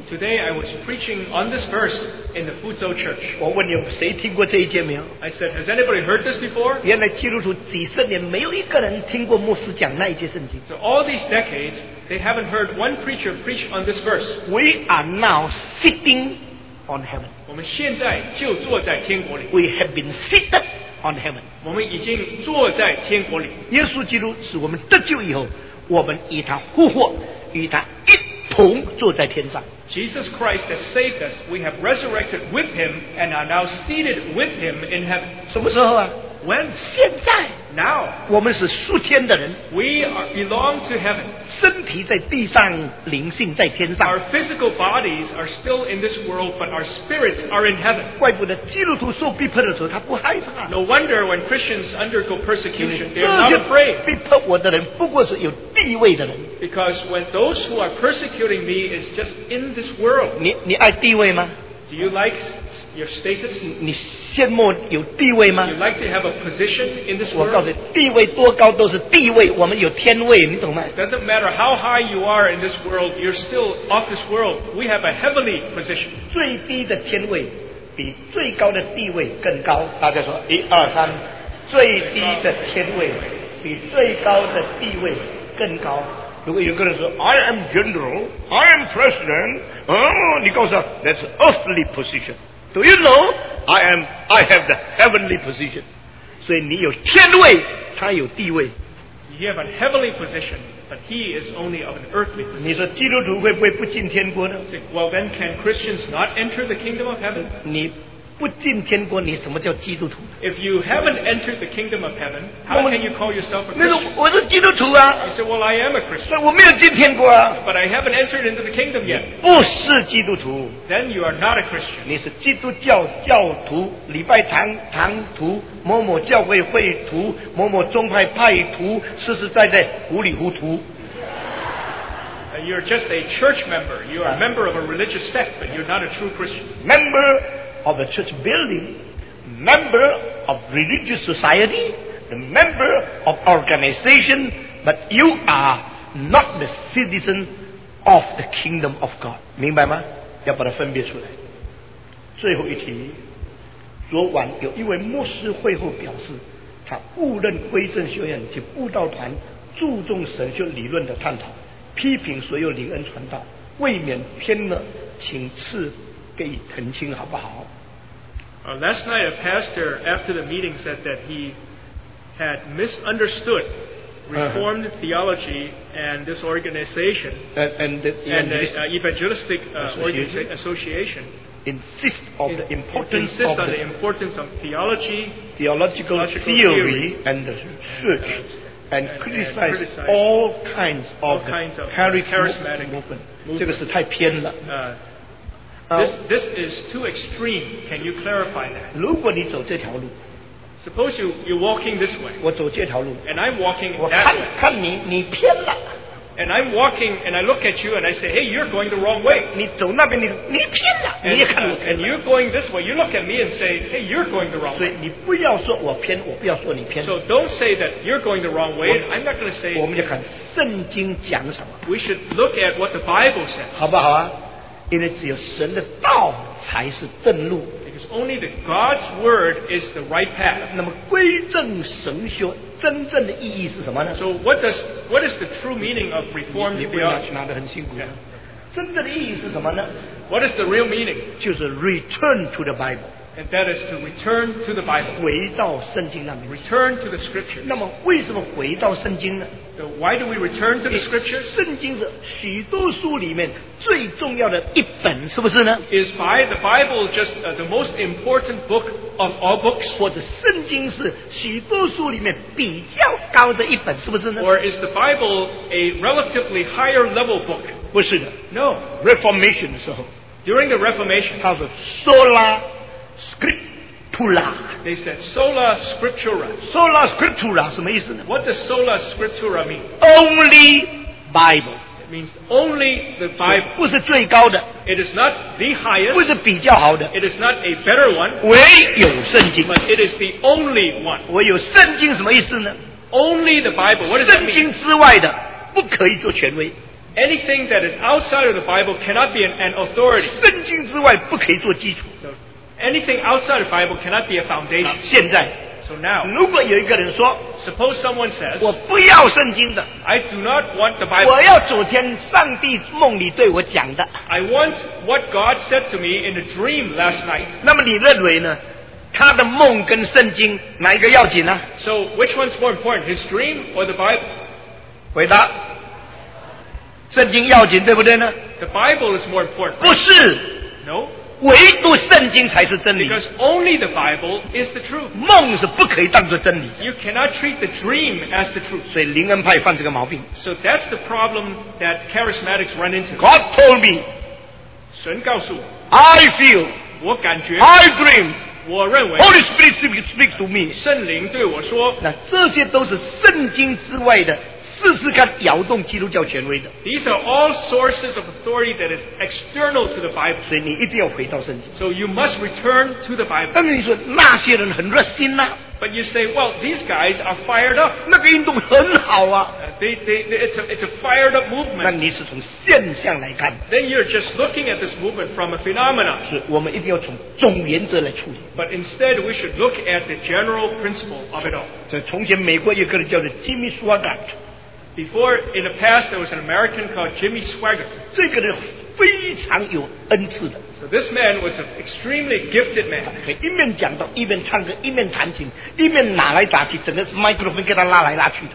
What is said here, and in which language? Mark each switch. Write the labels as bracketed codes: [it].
[en] Today I was preaching on this verse in the Fuzhou church. [zh] 我问你谁听过这一节没有? [en] I said, has anybody heard this before? [zh] 原来基督徒几十年没有一个人听过牧师讲那一节圣经。 [en] So all these decades, they haven't heard one preacher preach on this verse. We are now sitting on heaven. On heaven. We have been seated on heaven. [zh] 我们已经坐在天国里。耶稣基督使我们得救以后，我们与他复活，与他一同坐在天上。 [en] Jesus Christ has saved us. We have resurrected with him and are now seated with him in heaven. [zh] 什么时候啊？ [en] When? [zh] 现在。 [en] Now. [zh] 我们是属天的人。 [en] We belong to heaven. [zh] 身体在地上，灵性在天上。 [en] Our physical bodies are still in this world, but our spirits are in heaven. [zh] 怪不得基督徒受逼迫的时候他不害怕。 [en] No wonder when Christians undergo persecution, they are not afraid. [zh] 逼迫我的人不过是有地位的人。 [en] Because when those who are persecuting me is just in this world. [zh] 你爱地位吗？ [en] Do you like your status? [zh] 你羡慕有地位吗？ [en] Do you like to have a position in this world? [zh] 我告诉你，地位多高都是地位，我们有天位，你懂吗？ [en] It doesn't matter how high you are in this world, you're still of this world. We have a heavenly position. [zh] 最低的天位比最高的地位更高。大家说，一二三，最低的天位比最高的地位更高。如果有个人说 [en] I am general, I am president, [zh] 你告诉他 [en] that's earthly position. Do you know? I have the heavenly position. [zh] 所以你有天位，他有地位。 [en] You have a heavenly position, but he is only of an earthly position. [zh] 你说基督徒会不会不进天国呢？ [en] Well, then can Christians not enter the kingdom of heaven? [zh] 你不进天国，你什么叫基督徒？ [en] If you haven't entered the kingdom of heaven, how can you call yourself a Christian? [zh] 我是基督徒啊。 [en] You say, well, I am a Christian. [zh] 我没有进天国啊。 [en] But I haven't entered into the kingdom yet. [zh] 不是基督徒。 [en] Then you are not a Christian. [zh] 你是基督教教徒，礼拜堂堂徒，某某教会会徒，某某宗派派徒，实实在在糊里糊涂。 [en] You're just a church member. You are a member of a religious sect, but you're not a true Christian. Member. Of a church building, member of religious society, the member of organization, but you are not the citizen of the kingdom of God. [zh] 明白吗？要把它分别出来。最后一题，昨晚有一位牧师会后表示，他误认归正学院及布道团注重神学理论的探讨，批评所有灵恩传道，未免偏了，请赐给予澄清好不好？ [en] Last night, a pastor after the meeting said that he had misunderstood Reformed theology and this organization and the evangelistic association. Insist on the importance of theology, theological theory, and the church, and criticize all kinds of charismatic movement. This is too extreme. Can you clarify that? [zh] 如果你走这条路 [en] Suppose you're walking this way. [zh] 我走这条路 [en] And I'm walking that way. [zh] 看你，你偏了 [en] And I'm walking and I look at you and I say, hey, you're going the wrong way. [zh] 你走那边，你偏了，你也看我偏了 [en] And you're going this way. You look at me and say, hey, you're going the wrong way. [zh] 所以你不要说我偏，我不要说你偏。 [en] So don't say that you're going the wrong way. I'm not going to say. [zh] 我们就看圣经讲什么 [en] We should look at what the Bible says. [zh] 好不好啊？因为只有神的道才是正路。 [en] Because only the God's word is the right path. [zh] 那么归正神学真正的意义是什么呢 [en] ？So what is the true meaning of Reformed theology? [zh] 你问他，拿得很辛苦。Yeah. 真正的意义是什么呢 [en] ？What is the real meaning? [zh] 就是 [en] return to the Bible. And that is to return to the Bible. [zh] 回到圣经那边。 [en] Return to the Scripture. [zh] 那么为什么回到圣经呢？ [en] Why do we return to the scripture? [zh] 圣经是许多书里面最重要的一本，是不是呢？ [en] Is by the Bible just the most important book of all books? [zh] 或者圣经是许多书里面比较高的一本，是不是呢？ [en] Or is the Bible a relatively higher level book? [zh] 不是的。 [en] No. [zh] Reformation 的时候。 [en] During the Reformation. [zh] 它是 sola scriptura。 [en] They said sola scriptura. [zh] Sola scriptura 什么意思呢？ [en] What does sola scriptura mean? Only Bible. It means only the Bible. [zh] 不是最高的。 [en] It is not the highest. [zh] 不是比较好的。 [en] It is not a better one. [zh] 唯有圣经。 [en] But it is the only one. [zh] 唯有圣经什么意思呢？ [en] Only the Bible. What does that mean? [zh] 圣经之外的不可以做权威。 [en] Anything that is outside of the Bible cannot be an authority. [zh] 圣经之外不可以做基础。 [en] Anything outside the Bible cannot be a foundation. [zh] 现在 [en] so now, [zh] 如果有一个人说 [en] suppose someone says, [zh] 我不要圣经的 [en] I do not want the Bible. [zh] 我要昨天上帝梦里对我讲的 [en] I want what God said to me in a dream last night. [zh] 那么你认为呢？他的梦跟圣经哪一个要紧呢？ [en] So which one's more important, his dream or the Bible? [zh] 回答，圣经要紧，对不对呢？ [en] The Bible is more important. [zh] 不是。 [en] No. [zh] 唯独圣经才是真理。 [en] Because only the Bible is the truth. [zh] 梦是不可以当作真理。 [en] You cannot treat the dream as the truth. [zh] 所以灵恩派犯这个毛病。 [en] So that's the problem that charismatics run into. God told me. [zh] 神告诉我。 [en] I feel. [zh] 我感觉。 [en] I dream. [zh] 我认为 [en] Holy Spirit speaks to me. [zh] 圣灵对我说，那这些都是圣经之外的，试试看摇动基督教权威的。 [en] These are all sources of authority that is external to the Bible. [zh] 所以你一定要回到圣经。 [en] So you must return to the Bible. [zh] 但是你说那些人很热心呐、啊。 [en] But you say, well, these guys are fired up. [zh] 那个运动很好啊。 [en] It's a fired up movement. [zh] 那你是从现象来看。 [en] Then you're just looking at this movement from a phenomenon. [zh] 是我们一定要从总原则来处理。 [en] But instead, we should look at the general principle of it all. [zh] 这从前美国有个人叫做 Jimmy Swaggart。 [en] Before, in the past, there was an American called Jimmy Swaggart. [zh] 这个人非常有恩赐的。 [en] So this man was an extremely gifted man. [zh] 他可以一面讲到，一边唱歌，一边弹琴，一面拿来打去，整个microphone给他拉来拉去的。